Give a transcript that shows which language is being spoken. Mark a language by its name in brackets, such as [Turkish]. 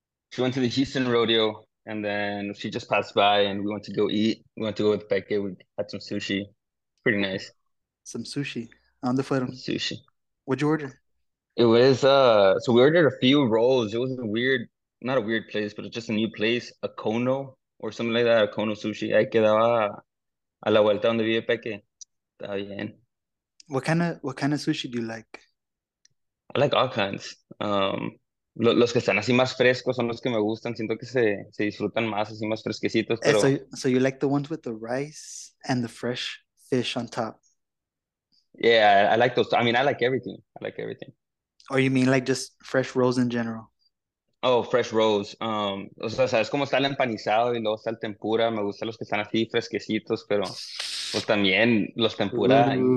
[English] She went to the Houston rodeo, and then she just passed by, and we went to go eat. We went to go with Becky. We had some sushi. Pretty nice. Some sushi. On the phone. Sushi. What'd you order? It was, so we ordered a few rolls. It was a weird, not a weird place, but just a new place. A Kono or something like that. A Kono sushi. [Spanish] Ahí quedaba a la vuelta donde vive Peque. Está bien. [English] What kind of sushi do you like? I like all kinds. [Spanish] Los que están así más frescos son los que me gustan. Siento que se disfrutan más, así más fresquecitos. Pero... [English] So you like the ones with the rice and the fresh fish on top? Yeah, I like those. I mean, I like everything. Or you mean like just fresh rolls in general? Oh, fresh rolls. [Spanish] O sea, ¿sabes cómo está el empanizado y luego está el tempura? Me gustan los que están así fresquecitos, pero pues también los tempura.